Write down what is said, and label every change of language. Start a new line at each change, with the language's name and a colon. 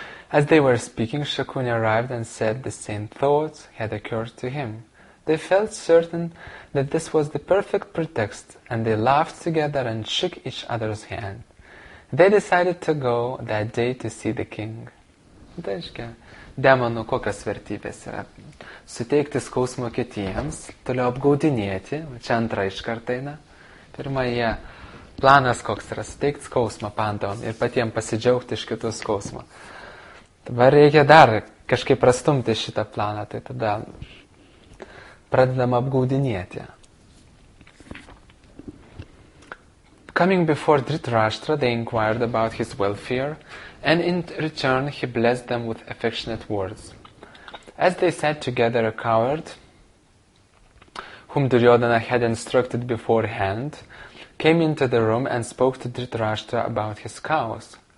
English: As they were speaking, Shakuni arrived and said the same thoughts had occurred to him. They felt certain that this was the perfect pretext, and they laughed together and shook each other's hand. They decided to go that day to see the king.
Lithuanian: Tai, aiškia, demonų kokios vertybės yra. Suteikti skausmo kitiems, toliau apgaudinėti, čia antra iš kartaina. Pirmąją, planas koks yra, suteikti skausmą pandavom ir patiems pasidžiaugti iš kitų skausmo. Dabar reikia dar kažkaip prastumti šitą planą, tai tada pradedam apgaudinėti.
English: Coming before Dhritarashtra, they inquired about his welfare, and in return he blessed them with affectionate words. As they sat together, a coward, whom Duryodhana had instructed beforehand, came into the room and spoke to Dhritarashtra about his cows.